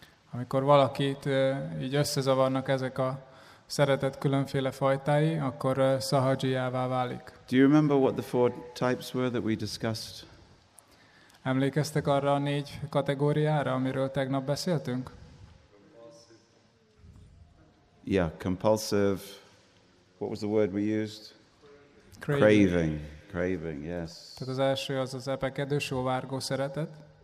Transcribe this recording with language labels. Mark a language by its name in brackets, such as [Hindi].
[Hungarian] Amikor valakit így összezavarnak ezek a szeretet különféle fajtái, akkor sahajyává válik. [English] Do you remember what the four types were that we discussed? [Hungarian] Emlékeztek arra a négy kategóriára, amiről tegnap beszéltünk? [English] Yeah, compulsive. What was the word we used? Craving. Craving. Craving, yes. [Hungarian] Tehát az első az az epekedő, sóvárgó szeretet.